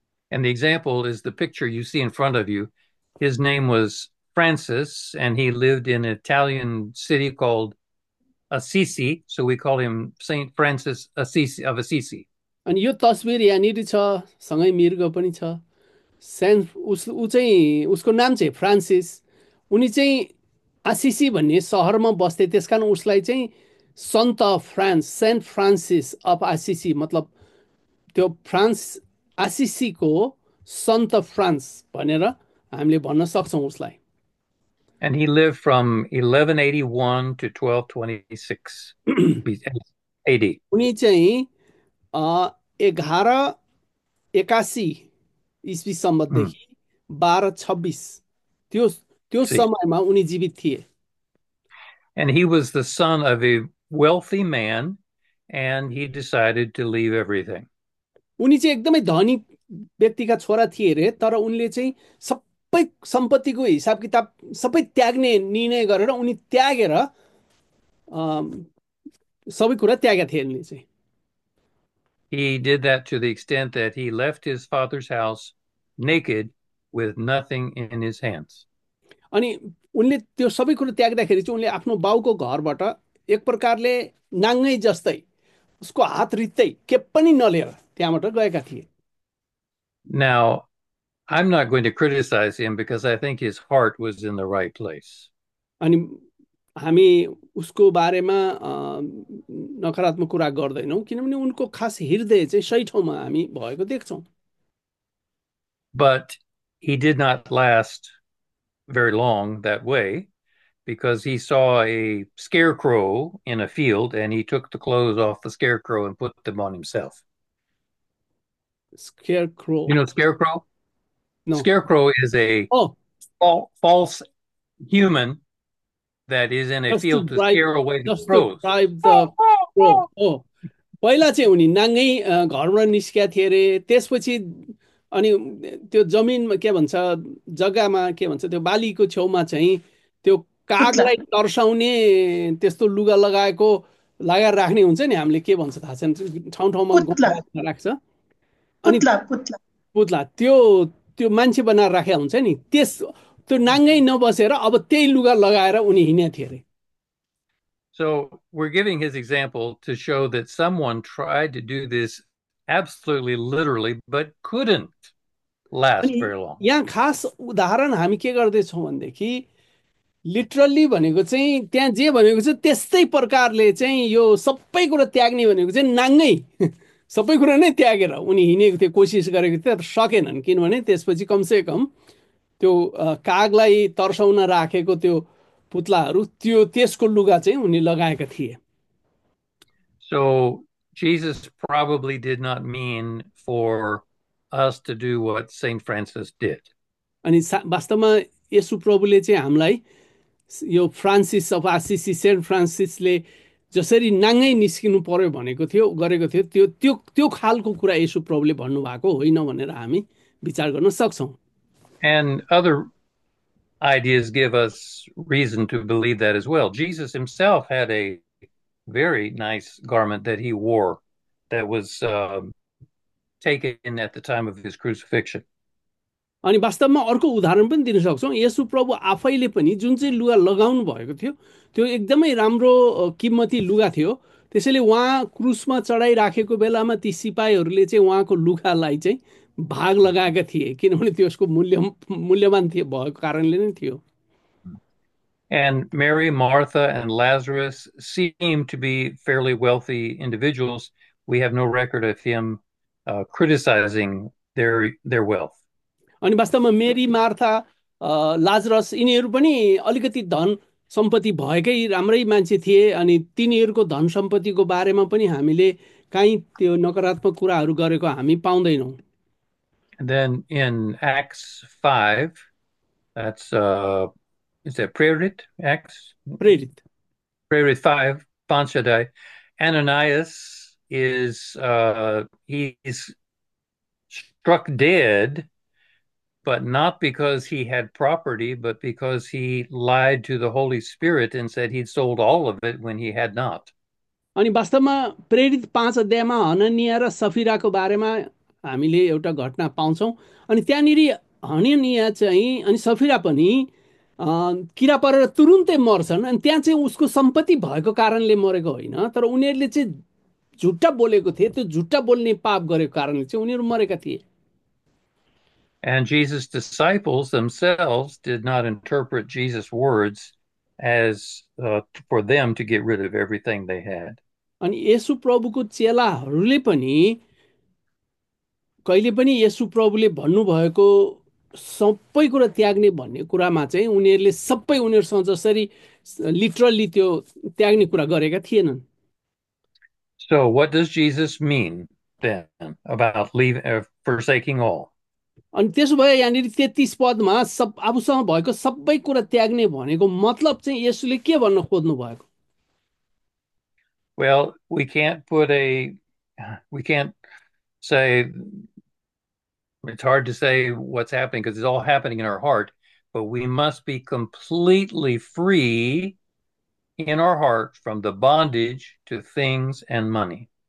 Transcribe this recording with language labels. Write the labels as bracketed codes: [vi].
[en] And the example is the picture you see in front of you. His name was Francis, and he lived in an Italian city called Assisi. So we call him Saint Francis Assisi of Assisi. [ne] अनि यो तस्विर यहाँनिर छ, सँगै मृग पनि छ। सेन उस ऊ चाहिँ उसको नाम चाहिँ फ्रान्सिस, उनी चाहिँ आसिसी भन्ने सहरमा बस्थे, त्यसकारण उसलाई चाहिँ सन्त France, saint Francis of Assisi, मतलब त्यो फ्रान्स आसिसीको सन्त फ्रान्स भनेर हामीले भन्न सक्छौँ उसलाई। [en] And he lived from 1181 to 1226 AD. [ne] उनी चाहिँ 1181 इस्वीसम्मदेखि 1226 त्यो त्यो [en] See. [ne] समयमा उनी जीवित थिए। [en] And he was the son of a wealthy man, and he decided to leave everything. [ne] उनी चाहिँ एकदमै धनी व्यक्तिका छोरा थिए रे, तर उनले चाहिँ सबै सम्पत्तिको हिसाब किताब सबै त्याग्ने निर्णय गरेर, उनी त्यागेर सबै कुरा त्यागेका थिए उनले चाहिँ। [en] He did that to the extent that he left his father's house naked with nothing in his hands. [ne] अनि उनले त्यो सबै कुरो त्याग्दाखेरि चाहिँ उनले आफ्नो बाउको घरबाट एक प्रकारले नाङ्गै जस्तै, उसको हात रित्तै, के पनि नलिएर त्यहाँबाट गएका थिए। [en] Now, I'm not going to criticize him because I think his heart was in the right place. [ne] अनि हामी उसको बारेमा नकारात्मक कुरा गर्दैनौँ, किनभने उनको खास हृदय चाहिँ सही ठाउँमा हामी भएको देख्छौँ। [en] But he did not last very long that way because he saw a scarecrow in a field and he took the clothes off the scarecrow and put them on himself. You Scarecrow. know, scarecrow? No. Scarecrow is a Oh. false human that is in a Just to field to bribe scare away the crows. the crow. Oh. [ne] पहिला चाहिँ उनी नाङ्गै घरबाट निस्केका थिए रे, त्यसपछि अनि त्यो जमिनमा के भन्छ, जग्गामा के भन्छ, त्यो बालीको छेउमा चाहिँ त्यो कागलाई तर्साउने त्यस्तो लुगा लगाएको लगाएर राख्ने हुन्छ नि, हामीले के भन्छ थाहा छैन, ठाउँ ठाउँमा पुतला गुम्बा राख्छ, अनि पुतला पुतला पुत्ला त्यो त्यो मान्छे बनाएर राखेको हुन्छ नि, त्यस त्यो नाङ्गै नबसेर अब त्यही लुगा लगाएर उनी हिँडे थिए अरे। [en] So we're giving his example to show that someone tried to do this absolutely literally, but couldn't last [ne] अनि [en] very long. [ne] यहाँ खास उदाहरण हामी के गर्दैछौँ भनेदेखि लिटरल्ली भनेको चाहिँ त्यहाँ जे भनेको छ त्यस्तै प्रकारले चाहिँ यो सबै कुरा त्याग्ने भनेको चाहिँ नाङ्गै सबै कुरा नै त्यागेर उनी हिँडेको थिए, कोसिस गरेको थिए, तर सकेनन्। किनभने त्यसपछि कमसेकम त्यो कागलाई तर्साउन राखेको त्यो पुतलाहरू, त्यो त्यसको लुगा चाहिँ उनी लगाएका थिए। [en] So Jesus probably did not mean for us to do what Saint Francis did. [ne] अनि वास्तवमा येसु प्रभुले चाहिँ हामीलाई यो फ्रान्सिस अफ आसिसी, सेन्ट फ्रान्सिसले जसरी नाङ्गै निस्किनु पर्यो भनेको थियो, गरेको थियो, त्यो त्यो त्यो खालको कुरा येसु प्रभुले भन्नुभएको होइन भनेर हामी विचार गर्न सक्छौँ। [en] And other ideas give us reason to believe that as well. Jesus himself had a very nice garment that he wore that was taken at the time of his crucifixion. [ne] अनि वास्तवमा अर्को उदाहरण पनि दिन सक्छौँ, येशु प्रभु आफैले पनि जुन चाहिँ लुगा लगाउनु भएको थियो त्यो एकदमै राम्रो किम्मती लुगा थियो, त्यसैले उहाँ क्रुसमा चढाइराखेको बेलामा ती सिपाहीहरूले चाहिँ उहाँको लुगालाई चाहिँ भाग लगाएका थिए, किनभने त्यो उसको मूल्यवान थियो भएको कारणले नै थियो। [en] And Mary, Martha, and Lazarus seem to be fairly wealthy individuals. We have no record of him criticizing their wealth. [ne] अनि वास्तवमा मेरी, मार्था, लाजरस यिनीहरू पनि अलिकति धन सम्पत्ति भएकै राम्रै मान्छे थिए, अनि तिनीहरूको धन सम्पत्तिको बारेमा पनि हामीले काहीँ त्यो नकारात्मक कुराहरू गरेको हामी पाउँदैनौँ। [en] And then in Acts 5, that's is that Prerit Acts? [ne] प्रेरित Prerit 5, Panchadai. [en] Ananias is he's struck dead, but not because he had property, but because he lied to the Holy Spirit and said he'd sold all of it when he had not. [ne] अनि वास्तवमा प्रेरित 5 अध्यायमा Hananya र सफिराको बारेमा हामीले एउटा घटना पाउँछौँ, अनि त्यहाँनिर हनन्या चाहिँ अनि सफिरा पनि किरा परेर तुरुन्तै मर्छन्, अनि त्यहाँ चाहिँ उसको सम्पत्ति भएको कारणले मरेको होइन, तर उनीहरूले चाहिँ झुट्टा बोलेको थिए, त्यो झुट्टा बोल्ने पाप गरेको कारणले चाहिँ उनीहरू मरेका थिए। [en] And Jesus' disciples themselves did not interpret Jesus' words as for them to get rid of everything they had. [ne] अनि येशु प्रभुको चेलाहरूले पनि कहिले पनि येशु प्रभुले भन्नुभएको सबै कुरा त्याग्ने भन्ने कुरामा चाहिँ उनीहरूले सबै उनीहरूसँग जसरी लिटरल्ली त्यो त्याग्ने कुरा गरेका थिएनन्। [en] So, what does Jesus mean then about forsaking all? [ne] अनि त्यसो भए यहाँनिर 33 पदमा सब आफूसँग भएको सबै कुरा त्याग्ने भनेको मतलब चाहिँ येशुले के भन्न खोज्नु भएको? [en] Well, we can't put a, we can't say, it's hard to say what's happening because it's all happening in our heart, but we must be completely free in our heart from the bondage to things and money.